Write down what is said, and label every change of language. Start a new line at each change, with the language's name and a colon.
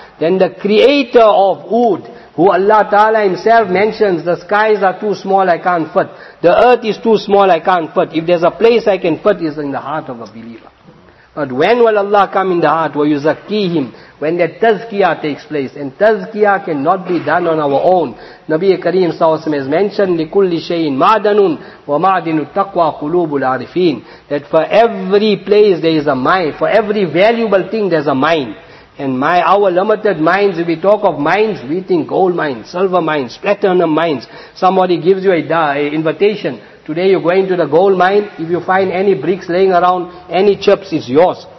English: Then the creator of oud, who Allah Ta'ala himself mentions, the skies are too small, I can't fit. The earth is too small, I can't fit. If there's a place I can fit, it's in the heart of a believer. But when will Allah come in the heart? Will you zakkih him? When that tazkiyah takes place. And tazkiyah cannot be done on our own. Nabi Kareem S.A.W. has mentioned,
Arabic: لِكُلِّ شَيْءٍ مَعْدَنٌ وَمَعْدِنُ التَّقْوَى قُلُوبُ الْعَارِفِينَ.
English: That for every place there is a mine. For every valuable thing there is a mine. And our limited minds, if we talk of mines, we think gold mines, silver mines, platinum mines. Somebody gives you an invitation. Today you're going to the gold mine, if you find any bricks laying around, any chips is yours.